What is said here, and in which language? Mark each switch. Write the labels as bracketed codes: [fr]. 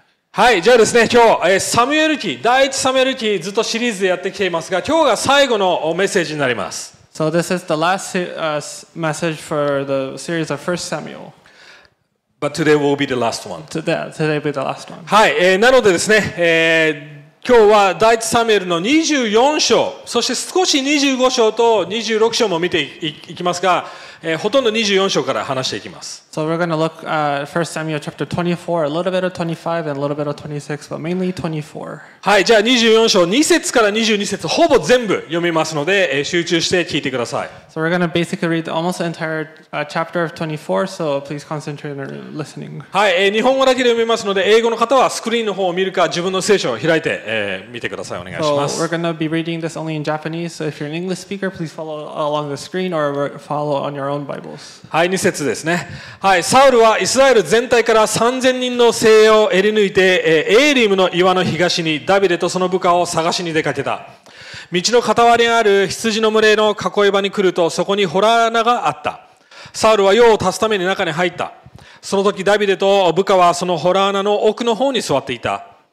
[ja] はい、じゃあですね、今日サムエル記、第一サムエル記ずっとシリーズでやってきていますが、今日が最後のメッセージになります。 [en] So this is the last message for the series of 1 Samuel. But today will be the last one. Today will be the last one. [ja] はい、なのでですね、今日は第一サムエルの24章、そして少し25章と26章も見ていきますが、ほとんど24章から話していきます。 [en] So we're going to look at 1 Samuel chapter 24, a little bit of 25 and a little bit of 26, but mainly 24. [ja] はい、じゃあ24章2節から22節ほぼ全部読みますので、集中して聞いてください。 [en] So we're going to basically read almost the entire chapter of 24, so please concentrate on listening. [ja] はい、日本語だけで読みますので、英語の方はスクリーンの方を見るか自分の聖書を開いて、見てください。お願いします。 [en] So we're going to be reading this only in Japanese, so if you're an English speaker, please follow along the screen or follow on your own Bibles. [ja] はい、2節ですね。はい、サウルはイスラエル全体から3000人の精鋭を得り抜いて、エーリムの岩の東にダビデとその部下を探しに出かけた。道の傍りにある羊の群れの囲い場に来ると、そこに洞穴があった。サウルは用を足すために中に入った。その時ダビデと部下はその洞穴の奥の方に座っていた。